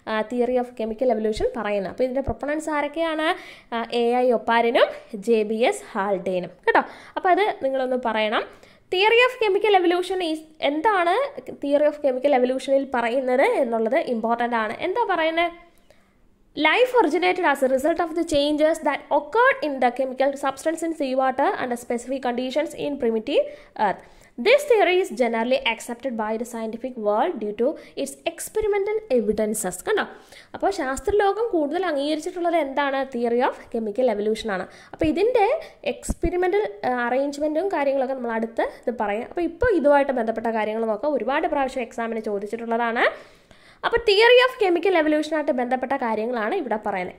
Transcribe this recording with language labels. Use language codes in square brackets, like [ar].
[ml] Theory of chemical evolution പറയുന്നത്. അപ്പോൾ ഇതിൻ്റെ പ്രൊപ്പണൻസ് ആരൊക്കെയാണ്? A I ഒപ്പാരിനും J B S ഹാൾഡേനും, കേട്ടോ. അപ്പോൾ അത് നിങ്ങളൊന്ന് പറയണം. Theory of chemical evolution is എന്താണ് തിയറി ഓഫ് കെമിക്കൽ എവല്യൂഷനിൽ പറയുന്നത് എന്നുള്ളത് ഇമ്പോർട്ടൻ്റ് ആണ്. എന്താ പറയുന്നത്? [en] Life originated as a result of the changes that occurred in the chemical substance in seawater under specific conditions in primitive earth. This theory is generally accepted by the scientific world due to its experimental evidences. [ml] കണ്ടോ, അപ്പോൾ ശാസ്ത്രലോകം കൂടുതൽ അംഗീകരിച്ചിട്ടുള്ളത് എന്താണ്? Theory of chemical evolution ആണ്. അപ്പോൾ ഇതിൻ്റെ experimental അറേഞ്ച്മെൻറ്റും കാര്യങ്ങളൊക്കെ നമ്മൾ അടുത്ത് ഇത് പറയാം. അപ്പോൾ ഇപ്പോൾ ഇതുമായിട്ട് ബന്ധപ്പെട്ട കാര്യങ്ങൾ നോക്കാം. ഒരുപാട് പ്രാവശ്യം എക്സാമിന് ചോദിച്ചിട്ടുള്ളതാണ്. അപ്പോൾ തിയറി ഓഫ് കെമിക്കൽ എവല്യൂഷനായിട്ട് ബന്ധപ്പെട്ട കാര്യങ്ങളാണ് ഇവിടെ പറയുന്നത്.